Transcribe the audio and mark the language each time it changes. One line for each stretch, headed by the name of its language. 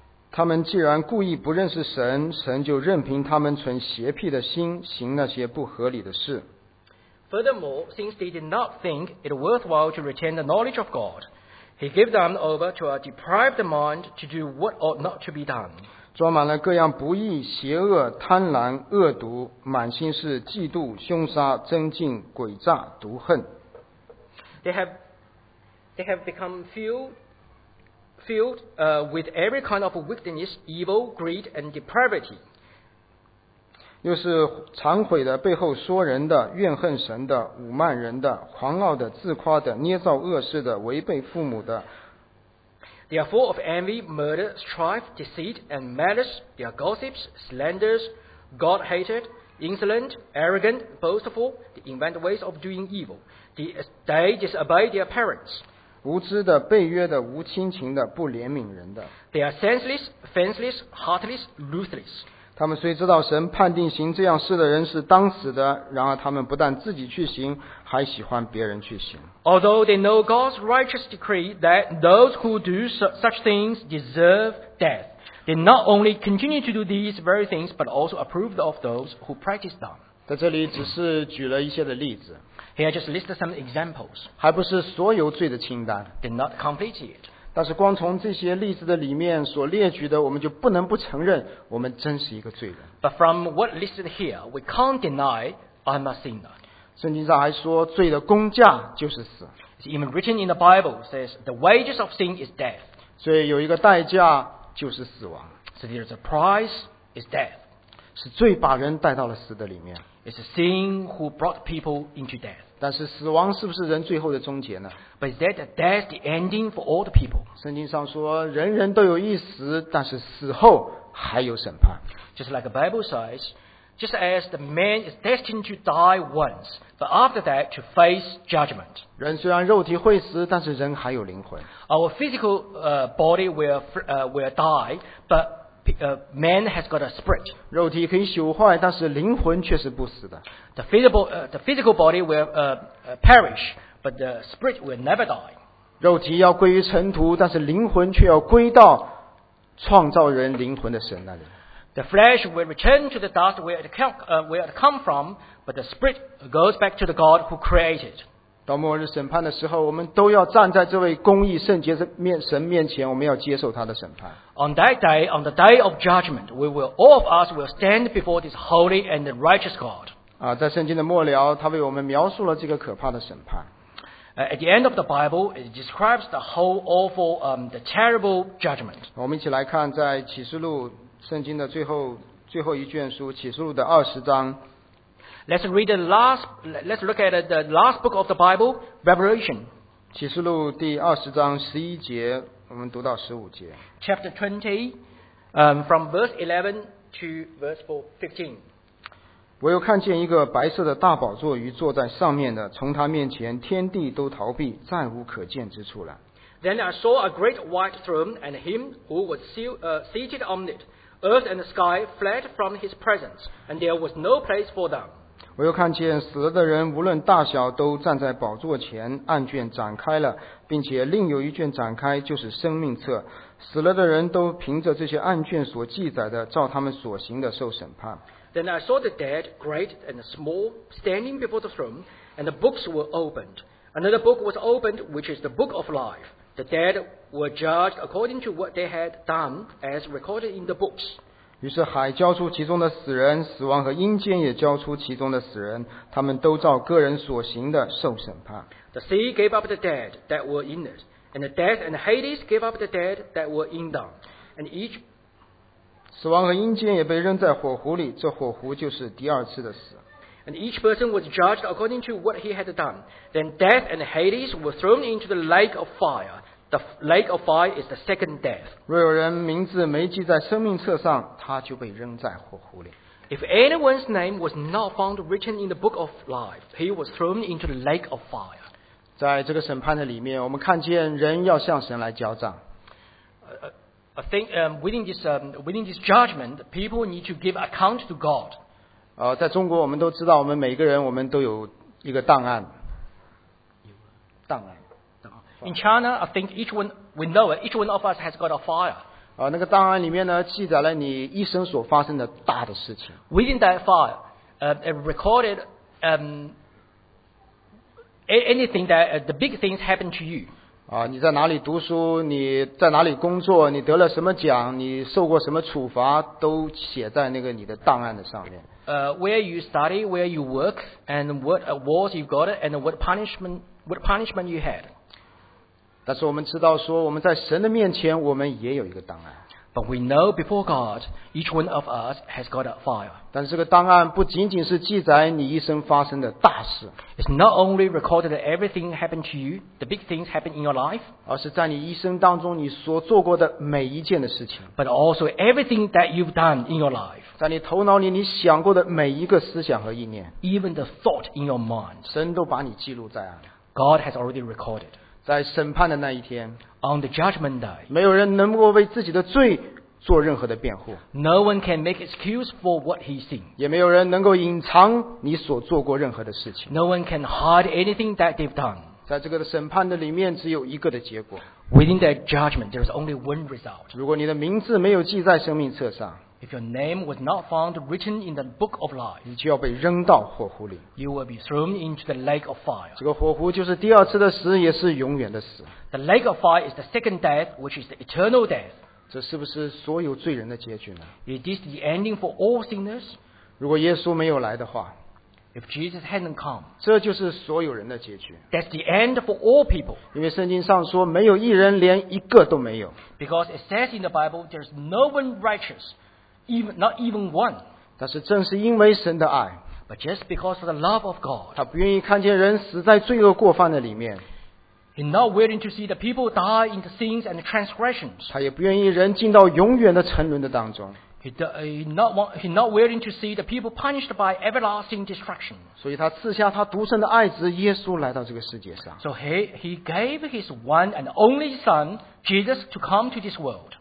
Chinese: 他们既然故意不认识神，神就任凭他们存邪僻的心，行那些不合理的事。
English: Furthermore, since they did not think it worthwhile to retain the knowledge of God. He gave them over to a deprived mind to do what ought not to be done.
Chinese: 装满了各样不义、邪恶、贪婪、恶毒，满心是嫉妒、凶杀、增进、诡诈、毒恨。
English: They have become filled with every kind of wickedness, evil, greed, and depravity.
Chinese: 又是忏悔的、背后说人的、怨恨神的、侮慢人的、狂傲的、自夸的、捏造恶事的、违背父母的。
English: They are full of envy, murder, strife, deceit, and malice. They are gossips, slanders, God-hated, insolent, arrogant, boastful. They invent ways of doing evil. They disobey their parents.
Chinese: 无知的、背约的、无亲情的、不怜悯人的。
English: They are senseless, fenceless, heartless, ruthless.
Chinese: 他们虽知道神判定行这样事的人是当死的，然而他们不但自己去行，还喜欢别人去行。
English: Although they know God's righteous decree that those who do such things deserve death, they not only continue to do these very things, but also approve of those who practice them.
Chinese: 在这里只是举了一些的例子。
English: Here I just listed some examples.
Chinese: 还不是所有罪的清单。
English: They're not complete yet.
Chinese: 但是光从这些例子的里面所列举的，我们就不能不承认我们真是一个罪人。
English: But from what listed here, we can't deny I'm a sinner.
Chinese: 圣经上还说罪的工价就是死。
English: It's even written in the Bible, says the wages of sin is death.
Chinese: 所以有一个代价就是死亡。
English: So there's a price is death.
Chinese: 是罪把人带到了死的里面。
English: It's sin who brought people into death.
Chinese: 但是死亡是不是人最后的终结呢？
English: But is that death the ending for all the people?
Chinese: 圣经上说，人人都有一死，但是死后还有审判。
English: Just like the Bible says, just as the man is destined to die once, but after that to face judgment.
Chinese: 人虽然肉体会死，但是人还有灵魂。
English: Our physical body will die, but man has got a spirit.
Chinese: 肉体可以朽坏，但是灵魂却是不死的。
English: The physical body will perish, but the spirit will never die.
Chinese: 肉体要归于尘土，但是灵魂却要归到创造人灵魂的神那里。
English: The flesh will return to the dust where it come from, but the spirit goes back to the God who created.
Chinese: 到末日审判的时候，我们都要站在这位公义圣洁的神面前，我们要接受他的审判。
English: On that day, on the day of judgment, we will all of us will stand before this holy and righteous God.
Chinese: 啊，在圣经的末了，他为我们描述了这个可怕的审判。
English: At the end of the Bible, it describes the whole awful, the terrible judgment.
Chinese: 我们一起来看在启示录。圣经的最后一卷书启示录的二十章。
English: Let's look at the last book of the Bible, Revelation.
Chinese: 启示录第二十章十一节，我们读到十五节。
English: Chapter 20, from verse 11 to verse 15.
Chinese: 我又看见一个白色的大宝座与坐在上面的，从他面前天地都逃避，再无可见之处了。
English: Then I saw a great white throne and him who was seated on it. Earth and the sky fled from his presence, and there was no place for them.
Chinese: 我又看见死了的人无论大小都站在宝座前，案卷展开了，并且另有一卷展开，就是生命册。死了的人都凭着这些案卷所记载的，照他们所行的受审判。
English: Then I saw the dead, great and small, standing before the throne, and the books were opened. Another book was opened, which is the book of life. The dead were judged according to what they had done, as recorded in the books.
Chinese: 于是海交出其中的死人，死亡和阴间也交出其中的死人，他们都照个人所行的受审判。
English: The sea gave up the dead that were in it, and the death and Hades gave up the dead that were in them, and each
Chinese: 死亡和阴间也被扔在火湖里，这火湖就是第二次的死。
English: And each person was judged according to what he had done. Then death and Hades were thrown into the lake of fire. The lake of fire is the second death.
Chinese: 若有人名字没记在生命册上，他就被扔在火湖里。
English: If anyone's name was not found written in the book of life, he was thrown into the lake of fire.
Chinese: 在这个审判的里面，我们看见人要向神来交账。
English: I think within this judgment, people need to give account to God.
Chinese: 在中国我们都知道我们每个人我们都有一个档案。
English: In China, I think each one, we know it, each one of us has got a file.
Chinese: 那个档案里面呢记载了你一生所发生的大的事情。
English: Within that file, it recorded, anything that, the big things happened to you.
Chinese: 你在哪里读书，你在哪里工作，你得了什么奖，你受过什么处罚，都写在那个你的档案的上面。
English: Where you study, where you work, and what awards you got, and what punishment you had.
Chinese: 但是我们知道说，我们在神的面前，我们也有一个档案。
English: But we know before God, each one of us has got a file.
Chinese: 但是这个档案不仅仅是记载你一生发生的大事。
English: It's not only recorded that everything happened to you, the big things happened in your life.
Chinese: 而是在你一生当中你所做过的每一件的事情。
English: But also everything that you've done in your life.
Chinese: 在你头脑里你想过的每一个思想和意念。
English: Even the thought in your mind.
Chinese: 神都把你记录在案。
English: God has already recorded.
Chinese: 在审判的那一天
English: On the judgment day,
Chinese: 没有人能够为自己的罪做任何的辩护
English: No one can make excuse for what he sinned
Chinese: 也没有人能够隐藏你所做过任何的事情
English: No one can hide anything that they've done
Chinese: 在这个审判的里面只有一个的结果
English: Within that judgment, there is only one result
Chinese: 如果你的名字没有记在生命册上
English: If your name was not found written in the book of life
Chinese: 你就要被扔到火湖里
English: You will be thrown into the lake of fire
Chinese: 这个火湖就是第二次的死也是永远的死
English: The lake of fire is the second death, which is the eternal death
Chinese: 这是不是所有罪人的结局呢
English: It is the ending for all sinners
Chinese: 如果耶稣没有来的话
English: If Jesus hadn't come
Chinese: 这就是所有人的结局
English: That's the end for all people
Chinese: 因为圣经上说没有一人连一个都没有
English: Because it says in the Bible there's no one righteous Not even one.
Chinese: 但是正是因为神的爱
English: But just because of the love of God,
Chinese: 他不愿意看见人死在罪恶过犯的里面
English: He's not willing to see the people die in the sins and the transgressions.
Chinese: 他也不愿意人进到永远的沉沦的当中
English: He not willing to see the people punished by everlasting destruction. So he gave his one and only son, Jesus, to come to this world.